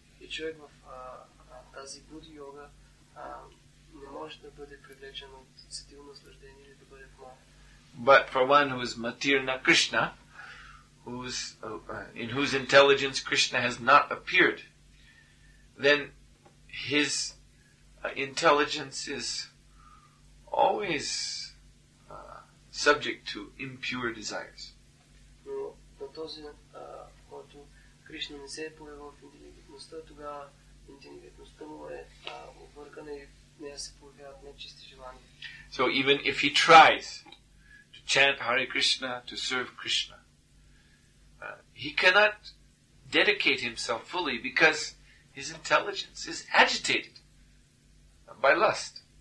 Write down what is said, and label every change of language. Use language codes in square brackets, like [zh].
[bg] И човек в тази Буди йога не може да бъде привлечен от сетилно наслаждение или да бъде в Мая. [en] But for one who is Matirna Krishna, in whose intelligence Krishna has not appeared, then his intelligence is always subject to impure desires. [bg] Но на този, който Кришна не се е появил в интелигентността, тогава интелигентността му е объркана и не се появяват нечисти желания. [en] So even if he tries to chant Hare Krishna, to serve Krishna, he cannot dedicate himself fully because his intelligence is agitated by lust.